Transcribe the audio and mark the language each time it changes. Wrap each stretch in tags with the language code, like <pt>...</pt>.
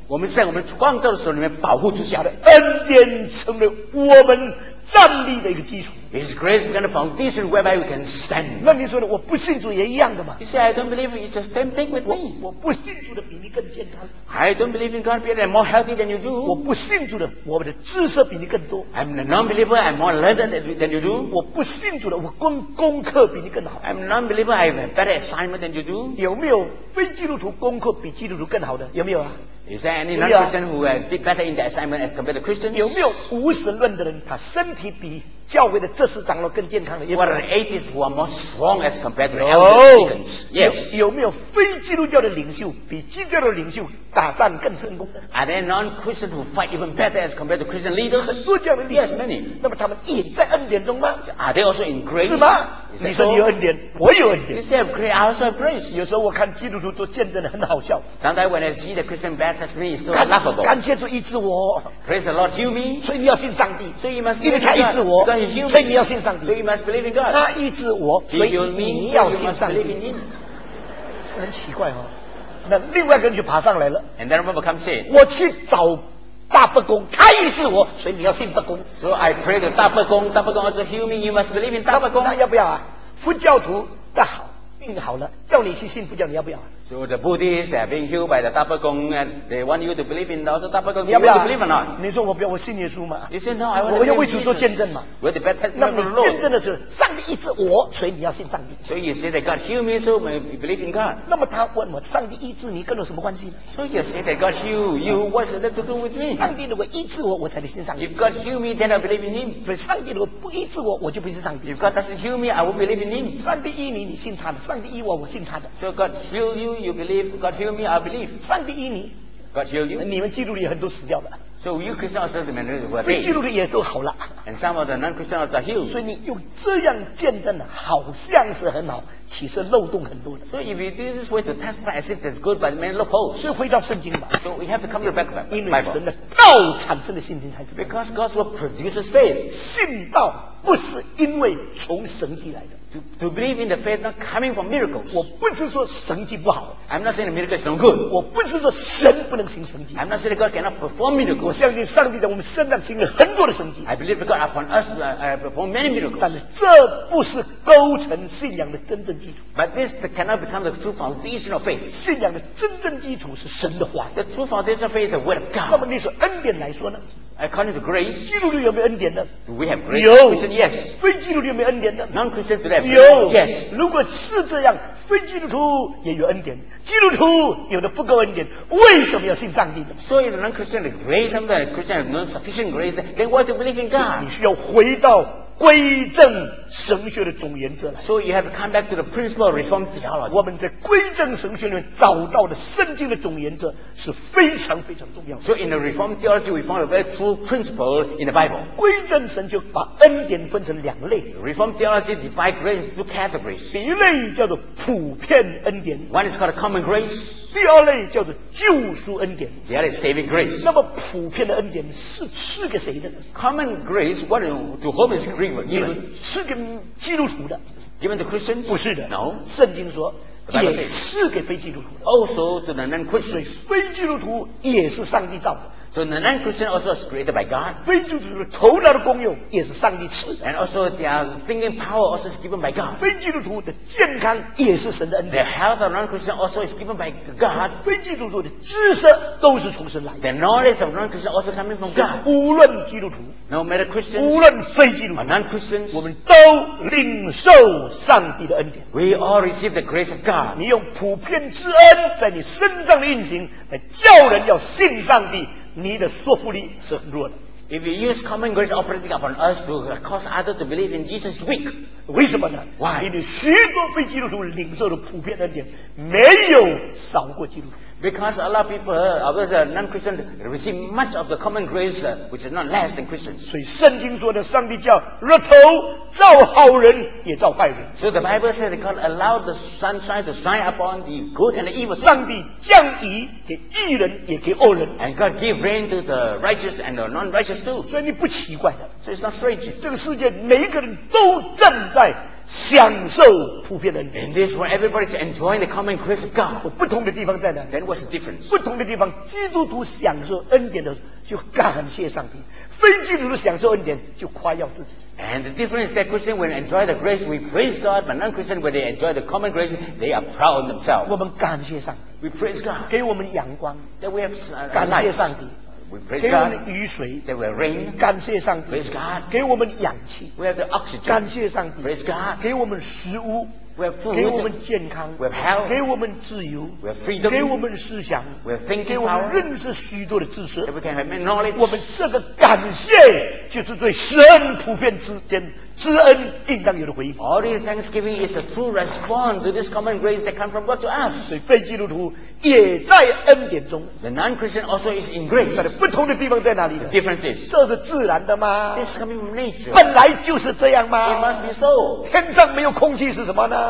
<zh>我们在我们创造的手里面保护之下的恩典成为我们站立的一个基础。</zh> <en>His grace is kind of foundation whereby we can stand.</en> <zh>那你说的我不信主也一样的嘛。</zh> <en>You say, I don't believe it's the same thing with me.</en> <zh>我不信主的比你更健康。</zh> <en>I don't believe in God, but I'm more healthy than you do.</en> <zh>我不信主的我的知识比你更多。</zh> <en>I'm a non-believer, I'm more learned than you do.</en> <zh>我不信主的我功课比你更好。</zh> <en>I'm a non-believer, I have a better assignment than you do.</en> <zh>有没有非基督徒功课比基督徒更好的？有没有啊？</zh> <en>Is there any non-Christian who did better in the assignment as compared to Christians?</en> <zh>有没有无神论的人，他身体比教会的执事长老更健康的？</zh> <en>What are the atheists who are more strong as compared to the elders? Oh, yes.</en> <zh>有没有非基督教的领袖比基督教的领袖打仗更成功的？</zh> <en>Are there non-Christians who fight even better as compared to Christian leaders?</en> <zh>很多这样的领袖。</zh> <en>Yes, many.</en> <zh>那么他们也在恩典中吗？</zh> <en>Are they also in grace?</en> <zh>是吗？你说你有恩典，我有恩典。</zh> <en>You say have grace, I also have grace.</en> <zh>有时候我看基督徒做见证的很好笑。</zh> <en>Sometimes when I see the Christian bad, that's me, it's still laughable.</en> <zh>感谢主医治我。</zh> <en>Praise the Lord, heal me.</en> <zh>所以你要信上帝。</zh> <en>So you must believe in God.</en> <zh>因为他医治我。</zh> <en>Because he healed me.</en> <zh>所以你要信上帝。</zh> <en>So you must believe in God.</en> <zh>他医治我。</zh> <en>He healed me.</en> <zh>你要信上帝。这很奇怪哦。那另外一个人就爬上来了。</zh> <en>And then remember, come say.</en> <zh>我去找大伯公，他医治我，所以你要信伯公。</zh> <en>So I pray to 大伯公，大伯公 also heal me. You must believe in 大伯公。</en> <zh>那要不要啊？佛教徒的好病好了，叫你去信佛教，你要不要啊</zh> <en>？So the Buddhists have been healed by the 大伯公 and they want you to believe in also 大伯公。</en> <zh>你要不要、</zh> <en>啊、you believe or not?</en> <zh>你说我不要，我信耶稣嘛</zh> <en>？You say no, I want to.</en> <zh>我要为主做见证嘛</zh> <en>？With the baptism of the Lord.</en> <zh>那么见证的是上帝医治我，所以你要信上帝。</zh> <en>So you say that God heal me, so you believe in God.</en> <zh>那么他问我，上帝医治你跟我什么关系呢</zh> <en>？So you say that God heal you, what's that to do with me?</en> <zh>上帝如果医治我，我才能信上帝。</zh> <en>If God heal me, then I believe in Him.</en> <zh>不，上帝如果不医治我，我就不是上帝。</zh> <en>If God doesn't heal me, I won't believe in Him.</en> <zh>上帝医你，你信他的。上帝医我，我信他的。</zh> <en>So God heal you, you believe. God heal me, I believe.</en> <zh>上帝医你。</zh> <en>God heal you.</en> <zh>你们基督徒也很多死掉了。</zh> <en>So you Christians also the many who are dead.</en> <zh>基督徒也都好了。</zh> <en>And some of the non-Christians are healed.</en> <zh>所以你用这样见证的，好像是很好，其实漏洞很多的。</zh> <en>So if you do this way to testify as if it's good, but many loopholes.</en> <zh>所以回到圣经吧。</zh> <en>So we have to come to the back of the Bible.</en> <zh>因为神的道产生的信心才是。</zh> <en>Because God's word produces faith.</en> <zh>信道不是因为从神起来的。</zh> <en>To believe in the faith not coming from miracles.</en> <zh>我不是说神迹不好。</zh> <en>I'm not saying the miracle is no good.</en> <zh>我不是说神不能行神迹。</zh> <en>I'm not saying God cannot perform miracles.</en> <zh>我相信上帝在我们身上行了很多的神迹。</zh> <en>I believe God upon us perform many miracles.</en> <zh>但是这不是构成信仰的真正基础。</zh> <en>But this cannot become the true foundation of faith.</en> <zh>信仰的真正基础是神的话。</zh> <en>The true foundation of faith is the word of God.</en> <zh>那么你说恩典来说呢？</zh> <en>According to grace,</en> <zh>基督徒有没有恩典呢</zh> <en>？Do we have grace?</en> <zh>有</zh> <en>，Christian, yes.</en> <zh>非基督徒有没有恩典呢</zh> <en>？Non-Christian, do they have?</en> <zh>有</zh> <en>，Yes.</en> <zh>如果是这样，非基督徒也有恩典，基督徒有的不够恩典，为什么要信上帝呢</zh> <en>？So the non-Christian the grace, some the Christian have no sufficient grace. Then why do you believe in God?</en> <zh>你需要回到归正神学的总原则来。</zh> <en>So you have to come back to the principle of reform theology.</en> <zh>我们在归正神学里面找到的圣经的总原则是非常非常重要的。</zh> <en>So in the reform theology, we found a very true principle in the Bible.</en> <zh>归正神学把恩典分成两类。</zh> <en>Reform theology divide grace into categories.</en> <zh>第一类叫做普遍恩典。</zh> <en>One is called a common grace.</en> <zh>第二类叫做救赎恩典</zh> <en>The other is saving grace</en> <zh>那么普遍的恩典是赐给谁的呢</zh> <en>Common grace what to whom is given</en> <zh>你们赐给基督徒的</zh> <en>Given to Christians</en> <zh>不是的</zh> <en>No</en> <zh>圣经说也赐给非基督徒的</zh> <en>Also to the non-Christians</en> <zh>所以非基督徒也是上帝造的</zh> <en>So the non-Christian also is created by God</en> <zh>非基督徒的头脑的功用也是上帝赐的</zh> <en>And also their thinking power also is given by God</en> <zh>非基督徒的健康也是神的恩典</zh> <en>The health of non-Christian also is given by God</en> <zh>非基督徒的知识都是从神来的</zh> <en>The knowledge of non-Christian also coming from God</en> <zh>无论基督徒</zh> <en>No matter Christians</en> <zh>无论非基督徒</zh> <en>or non-Christians</en> <zh>我们都领受上帝的恩典</zh> <en>We all receive the grace of God</en> <zh>你用普遍之恩在你身上的运行来叫人要信上帝你的说服力是很弱的</zh> <en>If you use common grace operating upon us to cause others to believe in Jesus weak</en> <zh>为什么呢</zh> <en>Why?</en> <zh>因为许多非基督徒领受的普遍恩典没有少过基督徒</zh> <en>Because a lot of people others are non-Christian receive much of the common grace which is not less than Christians</en> <zh>所以圣经说的上帝叫日头照好人也照坏人</zh> <en>So the Bible says God allowed the sunshine to shine upon the good and the evil</en> <zh>上帝降雨给义人也给恶人</zh> <en>and God give rain to the righteous and the non-righteous too</en> <zh>所以你不奇怪的</zh> <en>so it's not strange</en> <zh>这个世界每一个人都正在享受普遍的恩典</zh> <en>in this world everybody is enjoying the common grace of God</en> <zh>不同的地方在哪</zh> <en>then what's the difference</en> <zh>不同的地方基督徒享受恩典的就感谢上帝非基督徒享受恩典就夸耀自己</zh> <en>And the difference is that Christians, when enjoy the grace, we praise God. But non-Christians, when they enjoy the common grace, they are proud of themselves.</en> <zh>我们感谢上帝。</zh> <en>We praise God.</en> <zh>给我们阳光。</zh> <en>That we have sunlight.</en> <zh>感谢上帝。</zh> <en>We praise God.</en> <zh>给我们雨水。</zh> <en>That we have rain.</en> <zh>感谢上帝。</zh> <en>Praise God.</en> <zh>给我们氧气。</zh> <en>We have the oxygen.</en> <zh>感谢上帝。</zh> <en>Praise God.</en> <zh>给我们食物。</zh> <en>We have food.</en> <zh>给我们健康。</zh> <en>We have health.</en> <zh>给我们自由。</zh> <en>We have freedom.</en> <zh>给我们思想。</zh> <en>We have thinking power.</en> <zh>给我们认识许多的知识。</zh> <en>That we can have many knowledge.</en> <zh>我们这个感谢就是对神普遍之间知恩应当有的回应。</zh> <en>All this thanksgiving is the true response to this common grace that comes from God to us.</en> <zh>所以非基督徒也在恩典中。</zh> <en>The non-Christian also is in grace.</en> <zh>但是不同的地方在哪里呢？</zh> <en>The difference is.</en> <zh>这是自然的吗？</zh> <en>This is coming from nature.</en> <zh>本来就是这样吗？</zh> <en>It must be so.</en> <zh>天上没有空气是什么呢？</zh>